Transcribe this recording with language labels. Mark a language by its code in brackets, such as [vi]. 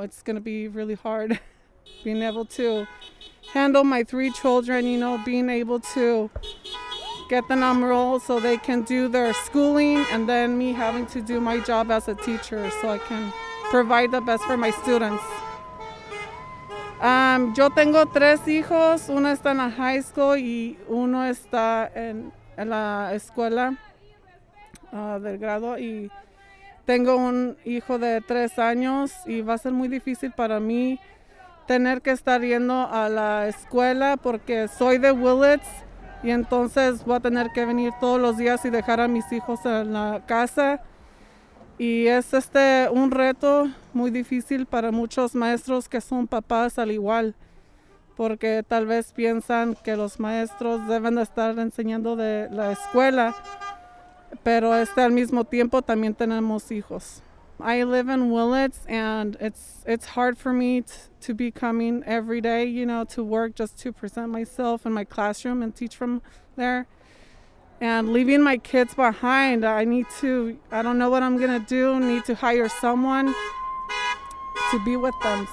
[en] It's going to be really hard being able to handle my three children, you know, being able to get them on roll so they can do their schooling and then me having to do my job as a teacher so I can provide the best for my students. [es] Yo tengo tres hijos. Uno está en la [en] high school [es] y uno está en la escuela del grado. Y tengo un hijo de tres años y va a ser muy difícil para mí tener que estar yendo a la escuela porque soy de Willits. Y entonces voy a tener que venir todos los días y dejar a mis hijos en la casa. Y es un reto muy difícil para muchos maestros que son papás al igual. Porque tal vez piensan que los maestros deben de estar enseñando de la escuela. Pero al mismo tiempo también tenemos hijos. [en] I live in Willits and it's hard for me to be coming every day, you know, to work just to present myself in my classroom and teach from there. And leaving my kids behind, I don't know what I'm gonna do, need to hire someone to be with them.